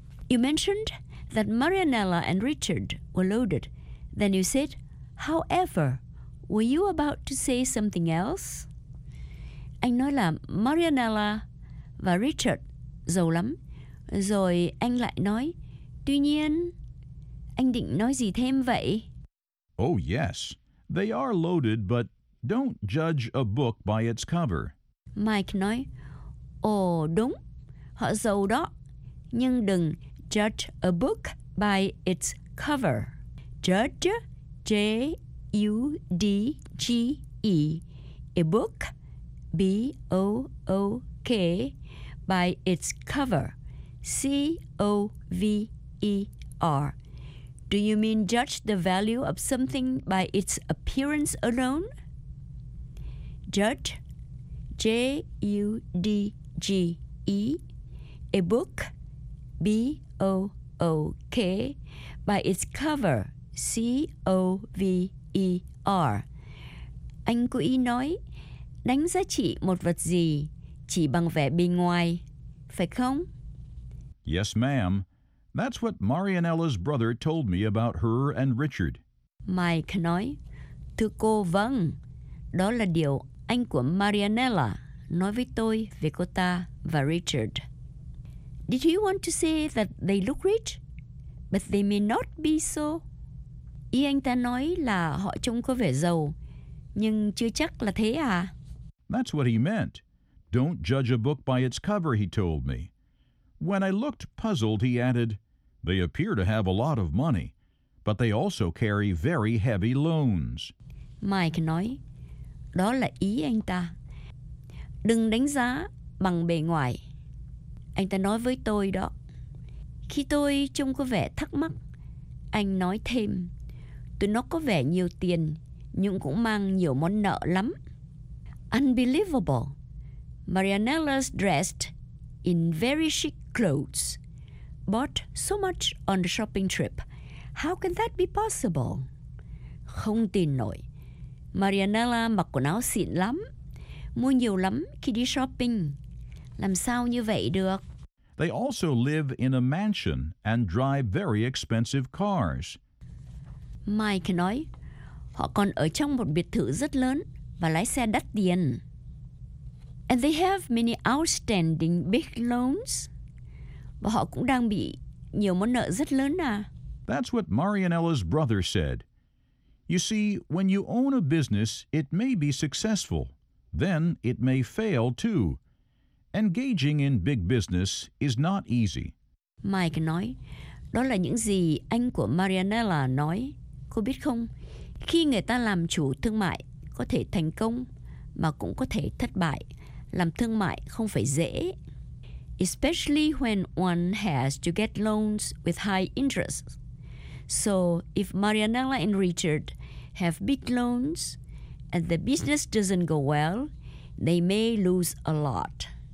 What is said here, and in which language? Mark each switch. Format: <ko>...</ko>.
<en>You mentioned that Marianella and Richard were loaded. Then you said, however, were you about to say something else?</en> <vi>Anh nói là Marianella và Richard giàu lắm. Rồi anh lại nói, tuy nhiên, anh định nói gì thêm vậy?</vi> <en>Oh yes, they are loaded, but don't judge a book by its cover.</en> <vi>Mike nói, ồ đúng, họ giàu đó, nhưng đừng</vi> <en>judge a book by its cover. Judge, J-U-D-G-E, a book, B-O-O-K, by its cover, C-O-V-E-R. Do you mean judge the value of something by its appearance alone? Judge, J-U-D-G-E, a book, B-O-O-K, by its cover, C-O-V-E-R.</en> <vi>Anh cố ý nói, đánh giá trị một vật gì chỉ bằng vẻ bề ngoài, phải không?</vi> <en>Yes, ma'am. That's what Marianella's brother told me about her and Richard.</en> <vi>Mike nói, thưa cô, vâng, đó là điều anh của Marianella nói với tôi về cô ta và Richard.</vi> <en>Did he want to say that they look rich? But they may not be so.</en> <vi>Ý anh ta nói là họ trông có vẻ giàu, nhưng chưa chắc là thế à?</vi> <en>That's what he meant. Don't judge a book by its cover, he told me. When I looked puzzled, he added, they appear to have a lot of money, but they also carry very heavy loans.</en> <vi>Mike nói, đó là ý anh ta. Đừng đánh giá bằng bề ngoài. Anh ta nói với tôi đó. Khi tôi trông có vẻ thắc mắc, anh nói thêm, tụi nó có vẻ nhiều tiền, nhưng cũng mang nhiều món nợ lắm.</vi> <en>Unbelievable. Marianella's dressed in very chic clothes, bought so much on the shopping trip. How can that be possible?</en> <vi>Không tin nổi. Marianella mặc quần áo xịn lắm, mua nhiều lắm khi đi shopping. Làm sao như vậy được?</vi> <en>They also live in a mansion and drive very expensive cars.</en> <vi>Mike nói, họ còn ở trong một biệt thự rất lớn và lái xe đắt tiền.</vi> <en>And they have many outstanding big loans.</en> <vi>Và họ cũng đang bị nhiều món nợ rất lớn à.</vi> <en>That's what Marianella's brother said. You see, when you own a business, it may be successful. Then it may fail too. Engaging in big business is not easy.</en> <vi>Mike nói, đó là những gì anh của Marianella nói. Cô biết không, khi người ta làm chủ thương mại, có thể thành công mà cũng có thể thất bại. Làm thương mại không phải dễ.</vi> <en>Especially when one has to get loans with high interest. So if Marianella and Richard have big loans and the business doesn't go well, they may lose a lot.</en>